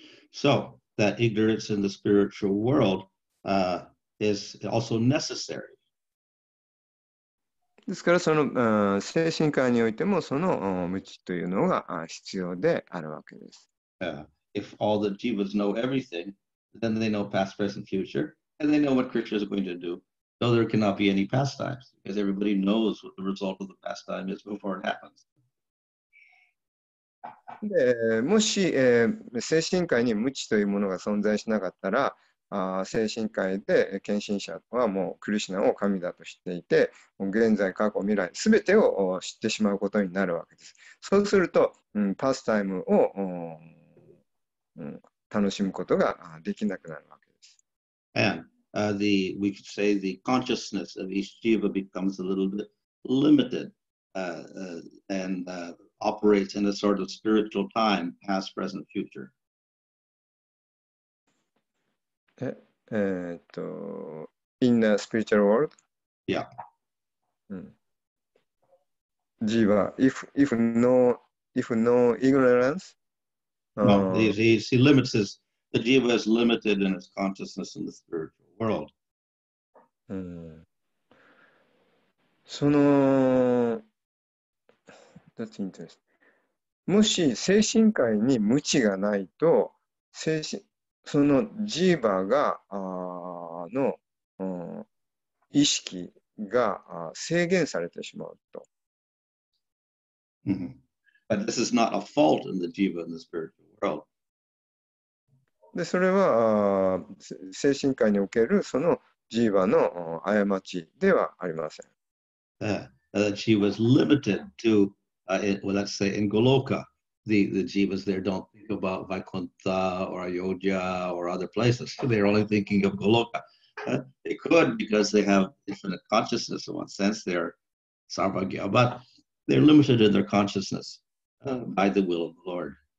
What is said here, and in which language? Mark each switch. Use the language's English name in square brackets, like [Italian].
[English] So, that ignorance in the spiritual world is also necessary. [Japanese] ですからその精神界においてもその無知というのが必要であるわけです。 [English] If all the jivas know everything, then they know past, present, future, and they know what Krishna is going to do, though there cannot be any pastimes, because everybody knows what the result of the pastime is before it happens. [Japanese] でもし、精神界に無知というものが存在しなかったら、精神界で献身者はもうクリシナを神だと知っていて、現在、過去、未来、すべてを知ってしまうことになるわけです。そうすると、パスタイムを楽しむことができなくなるわけです。 [English] And, we could say the consciousness of each jiva becomes a little bit limited, and, operates in a sort of spiritual time, past, present, future. In the spiritual world? Yeah. Jiva, if no ignorance? He limits his, the jiva is limited in its consciousness in the spiritual world. That's interesting. [Japanese] もし精神界に無知がないと、精神そのジーバーがの意識が制限されてしまうと。 [English] But this is not a fault in the jiva in the spiritual world. [Japanese] でそれは精神界におけるそのジーバーの過ちではありません。 [English] That she was limited to let's say in Goloka, the jivas there don't think about Vaikuntha or Ayodhya or other places. They're only thinking of Goloka. They could because they have infinite consciousness in one sense. They're sarvagya, but they're limited in their consciousness by the will of the Lord.